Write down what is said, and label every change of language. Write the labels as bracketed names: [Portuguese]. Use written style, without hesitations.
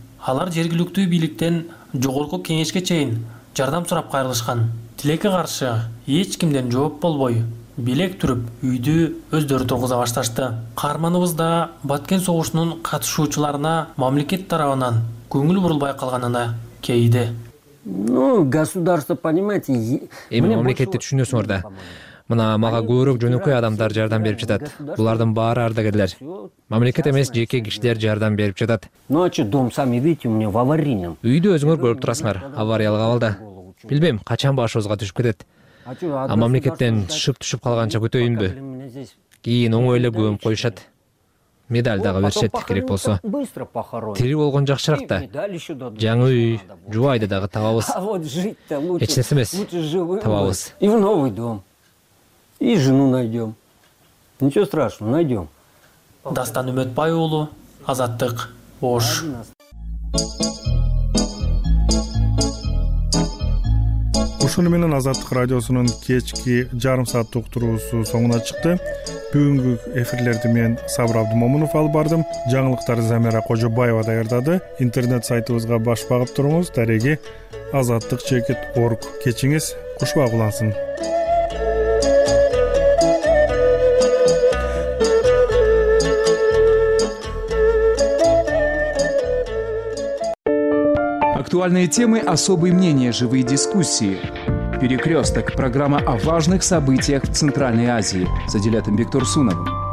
[Kyrgyz] Алар жергиликтүү бийликтен жогорку кеңешке чейин жардам сурап кайрылышкан. Тилекке каршы эч кимден жооп болбой, билек түрүп, үйдү өздөрү тургуза башташты. Карманыбызда Баткен согушунун катышуучуларына мамлекет тарабынан көңүл бурулбай калганына кейиди. [Russian] Ну, государство, понимаете, [Kyrgyz] эми мамлекетти түшүнөсүңөр да. Мына мага көрөк жөнөкөй адамдар жардам берип жатат. Булардын баары ардагерлер. Мамлекет эмес, жеке кишилер жардам берип жатат. [Russian] Ну, ачы дом сами видите, у меня в аварийном. [Kyrgyz] Үйдү өзүңөр көрүп турасыңар, авариялык абалда. Билбейм, качан башыбызга түшүп кетет. А мамлекеттен шып түшүп калганча күтөйүнбү? Кийин оңойлоп көмүп коюшат. Медаль дагы беришет керек болсо. Тири болгон жакшыраак да. Жаңы үй, жубайды дагы табабыз. Эч нерсе эмес. Табабыз. [Russian] И в новый дом. И жену найдем. Ничего страшного, найдем. [Kyrgyz] Дастан Үмөтбай уулу, Азаттык, Ош. Ушуну менен Азаттык радиосунун кечки жарым сааттык туруусу соңуна чыкты. Бүгүнкү эфирлерди мен Сабыр Абдымомунов алып бардым. Жаңылыктарды Замира Кожобаева даярдады. Интернет сайтыбызга баш багып туруңуз. Тареги azattık.org кечиңиз куш багулансын. [Russian] Актуальные темы, особые мнения, живые дискуссии. «Перекресток» – программа о важных событиях в Центральной Азии с Адилетом Бектурсуновым.